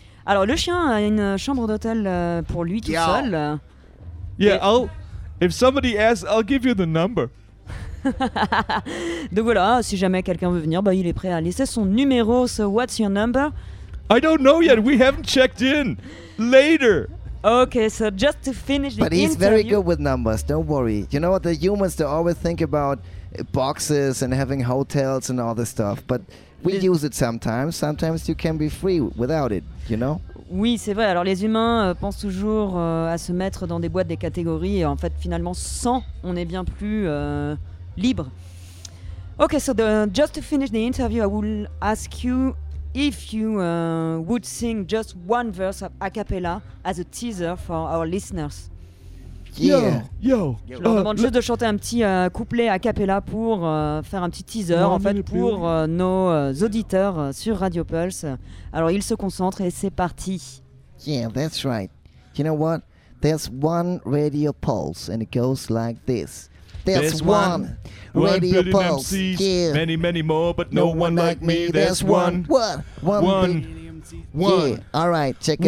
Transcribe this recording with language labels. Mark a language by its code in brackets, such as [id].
[fr] Alors, le chien a une chambre d'hôtel pour lui tout seul. [en] Yeah, if somebody asks, I'll give you the number. [fr] Donc voilà, si jamais quelqu'un veut venir, bah, il est prêt à laisser son numéro. [en] So what's your number? I don't know yet. We haven't checked in. Later. Okay, so just to finish but the interview. But he's very good with numbers. Don't worry. You know what? The humans, they always think about boxes and having hotels and all this stuff. But we use it sometimes. Sometimes you can be free without it, you know? [fr] Oui, c'est vrai. Alors, les humains pensent toujours à se mettre dans des boîtes, des catégories. Et en fait, finalement, sans, on est bien plus libre. [en] Okay, so just to finish the interview, I will ask you if you would sing just one verse of a cappella as a teaser for our listeners. Yeah. Yo. [fr] Je leur demande juste de chanter un petit couplet a cappella pour faire un petit teaser en fait pour nos auditeurs sur Radio Pulse. Alors ils se concentrent et c'est parti. [en] Yeah, that's right. You know what? There's one Radio Pulse and it goes like this. There's one radio pulse. Many, many more, but no one like me. There's one. What? One. Yeah. All right, check it